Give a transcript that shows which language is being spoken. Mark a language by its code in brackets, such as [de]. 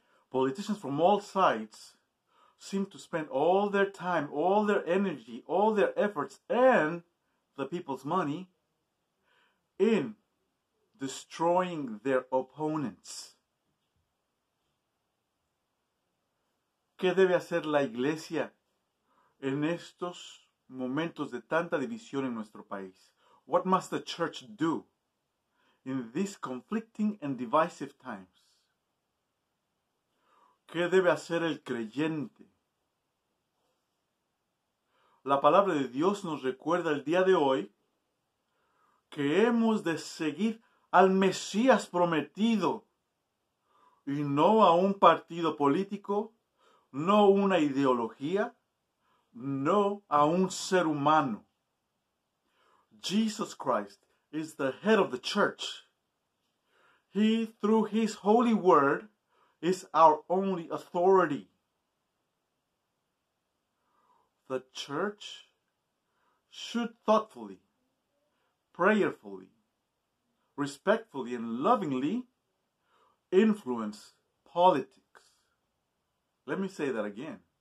[en] Politicians from all sides seem to spend all their time, all their energy, all their efforts, and the people's money in destroying their opponents. [es] ¿Qué debe hacer la iglesia en estos momentos de tanta división en nuestro país? [en] What must the church do in these conflicting and divisive times? [es] ¿Qué debe hacer el creyente? La palabra de Dios nos recuerda el día de hoy que hemos de seguir al Mesías prometido y no a un partido político, no una ideología, no a un ser humano. [en] Jesus Christ is the head of the church. He, through his holy word, is our only authority. The church should thoughtfully, prayerfully, respectfully, and lovingly influence politics. Let me say that again.